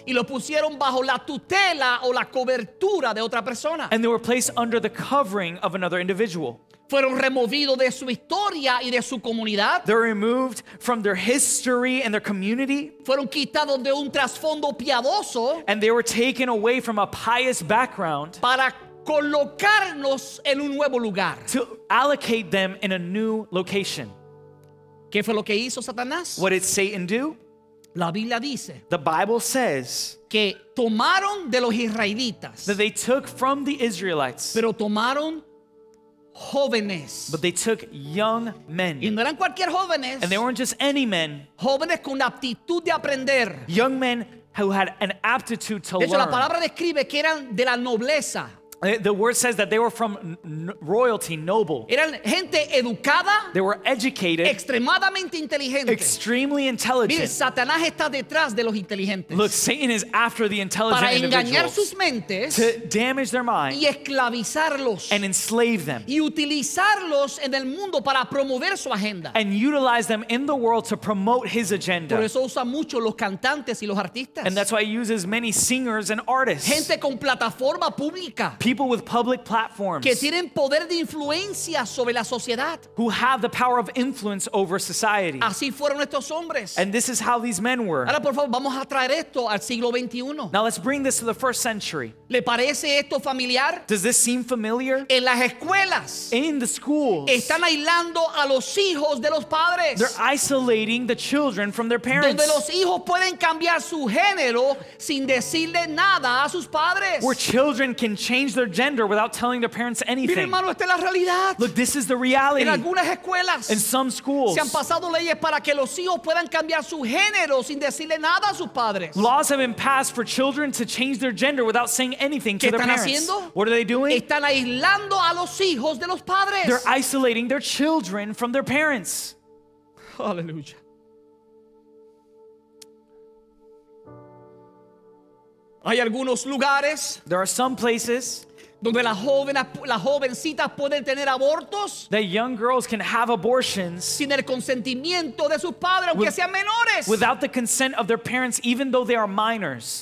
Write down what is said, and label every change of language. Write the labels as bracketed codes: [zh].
[es] Y lo pusieron bajo la tutela o la cobertura de otra persona. [en] And they were placed under the covering of another individual. [es] Fueron removidos de su historia y de su comunidad. [en] They're removed from their history and their community. [es] Fueron quitados de un trasfondo piadoso. [en] And they were taken away from a pious background. [es] Para colocarnos en un nuevo lugar. [en] To allocate them in a new location. [es] ¿Qué fue lo que hizo Satanás? [en] What did Satan do? [es] La Biblia dice. [en] The Bible says. [es] Que tomaron de los israelitas. [en] That they took from the Israelites. [es] Pero tomaron jóvenes. [en] But they took young men. [es] Y no eran cualquier jóvenes. [en] And they weren't just any men. [es] Jóvenes con aptitud de aprender. [en] Young men who had an aptitude to learn. [es] De hecho, la palabra describe que eran de la nobleza. [en] The word says that they were from royalty, noble. [es] Eran gente educada. [en] They were educated. [es] Extremadamente inteligente. [en] Extremely intelligent. [es] Mire, Satanás está detrás de los inteligentes. [en] Look, Satan is after the intelligent [es] para [en] individuals. [es] Engañar sus mentes. [en] To damage their minds. [es] Y esclavizarlos. [en] And enslave them. [es] Y utilizarlos en el mundo para promover su agenda. [en] And utilize them in the world to promote his agenda. [es] Por eso usa mucho los cantantes y los artistas. [en] And that's why he uses many singers and artists. [es] Gente con plataforma pública. [en] People with public platforms [es] que tienen poder de influencia sobre la sociedad, [en] who have the power of influence over society. [es] Así fueron estos hombres. [en] And this is how these men were. [es] Ahora, por favor, vamos a traer esto al siglo 21. [en] Now let's bring this to the first century. [es] ¿Le parece esto familiar? [en] Does this seem familiar? [es] En las escuelas, [en] in the schools, [es] están aislando a los hijos de los padres. [en] They're isolating the children from their parents. [es] Donde los hijos pueden cambiar su género sin decirle nada a sus padres. [en] Where children can change their gender without telling their parents anything. [es] Mira, hermano, esta es la realidad. [en] Look, this is the reality. [es] En algunas escuelas, [en] in some schools, [es] se han pasado leyes para que los hijos puedan cambiar su género sin decirle nada a sus padres. [en] Laws have been passed for children to change their gender without saying anything [es] ¿qué [en] to their [es] están [en] parents. [es] Haciendo? [en] What are they doing? [es] Están aislando a los hijos de los padres. [en] They're isolating their children from their parents. Hallelujah. [es] Hay algunos lugares. [en] There are some places. [es] Donde las jovencitas pueden tener abortos. [en] That young girls can have abortions. [es] Sin el consentimiento de sus padres, aunque sean menores. [en] Without the consent of their parents, even though they are minors.